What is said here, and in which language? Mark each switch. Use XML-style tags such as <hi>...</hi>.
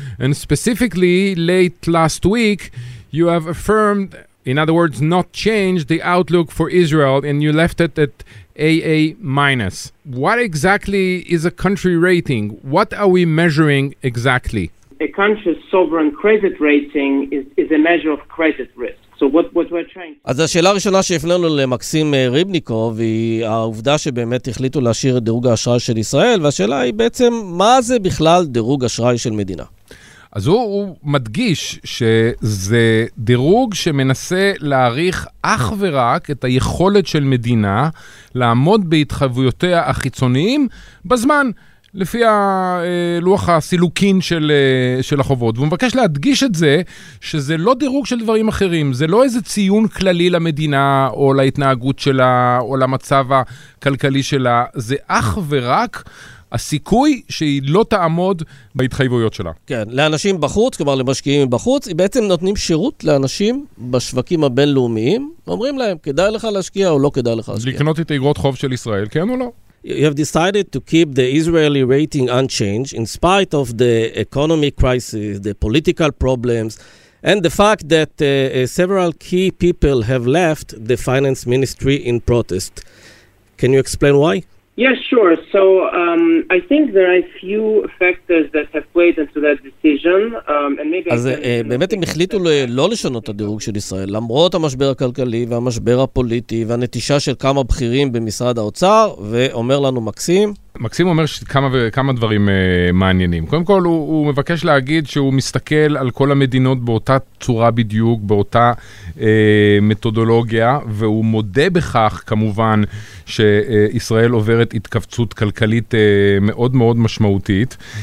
<en>And specifically, late last week, you have affirmed, in other words, not change the outlook for Israel, and you left it at AA-. What exactly is a country rating? What are we measuring exactly? A country's sovereign credit rating is a measure of credit risk. So what we're trying to...</en> <he>אז השאלה הראשונה שהפנינו למקסים ריבניקוב היא העובדה שבאמת החליטו להשאיר את דירוג האשראי של ישראל, והשאלה היא בעצם מה זה בכלל דירוג אשראי של מדינה? אז הוא מדגיש שזה דירוג שמנסה להעריך אך ורק את היכולת של מדינה לעמוד בהתחייבויותיה החיצוניים בזמן, לפי הלוח הסילוקין של החובות. והוא מבקש להדגיש את זה, שזה לא דירוג של דברים אחרים, זה לא איזה ציון כללי למדינה או להתנהגות שלה או למצב הכלכלי שלה, זה אך ורק הסיכוי שהיא לא תעמוד בהתחייבויות שלה. כן, לאנשים בחוץ, כלומר למשקיעים בחוץ, היא בעצם נותנים שירות לאנשים בשווקים הבינלאומיים, אומרים להם, כדאי לך להשקיע או לא כדאי לך להשקיע. לקנות את איגרות חוב של ישראל, כן או לא?</he> <en>You have decided to keep the Israeli rating unchanged in spite of the economic crisis, the political problems, and the fact that several key people have left the finance ministry in protest. Can you explain why? Yeah, sure. So I think there are a few factors that have played into that decision.</en> <he>אז באמת הם החליטו לא לשנות את הדירוג של ישראל, למרות המשבר הכלכלי והמשבר הפוליטי והנטישה של כמה בכירים במשרד האוצר, ואומר לנו מקסים, מקסים אומר כמה דברים מעניינים. קודם כל, הוא מבקש להגיד שהוא מסתכל על כל המדינות באותה צורה בדיוק, באותה מתודולוגיה, והוא מודה בכך, כמובן, שישראל עוברת התכווצות כלכלית מאוד מאוד משמעותית.</he>